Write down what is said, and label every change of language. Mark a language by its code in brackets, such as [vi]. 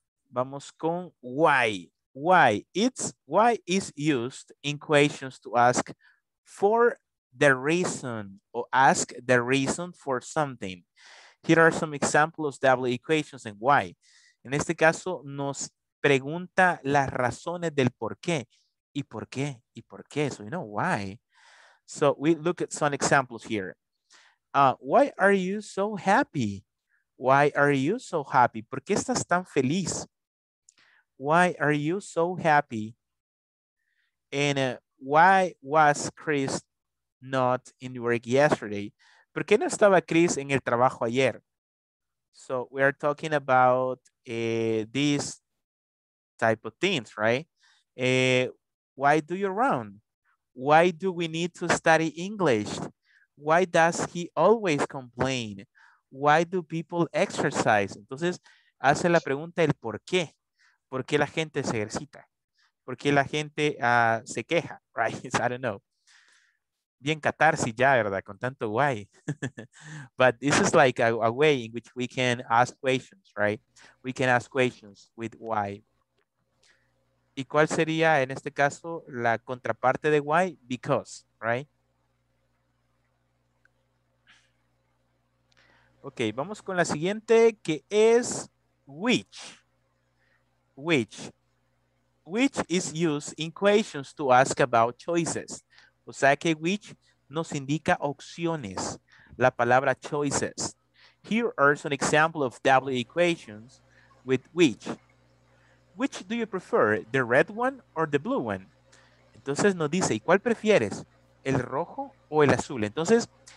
[es] Vamos con why. [en] Why? It's why is used in questions to ask for the reason or ask the reason for something. Here are some examples of W equations and why. [es] En este caso, nos pregunta las razones del por qué. ¿Y por qué? ¿Y por qué? [en] So, you know, why? So, we look at some examples here. Why are you so happy? Why are you so happy? [es] ¿Por qué estás tan feliz? [en] Why are you so happy? And why was Chris not in work yesterday? [es] ¿Por qué no estaba Chris en el trabajo ayer? [en] So we are talking about these type of things, right? Why do you run? Why do we need to study English? Why does he always complain? Why do people exercise? [es] Entonces hace la pregunta el por qué. ¿Por qué la gente se ejercita? ¿Por qué la gente se queja? [en] Right? I don't know. [es] Bien catarsis ya, ¿verdad? Con tanto why. [en] But this is like a way in which we can ask questions, right? We can ask questions with why. [es] ¿Y cuál sería, en este caso, la contraparte de why? [en] Because, right? [es] Ok, vamos con la siguiente, que es which. Which. [en] Which is used in questions to ask about choices. [es] O sea que which nos indica opciones, la palabra choices. [en] Here are some examples of W equations with which. Which do you prefer, the red one or the blue one? [es] Entonces nos dice, ¿y cuál prefieres, el rojo o el azul? Entonces,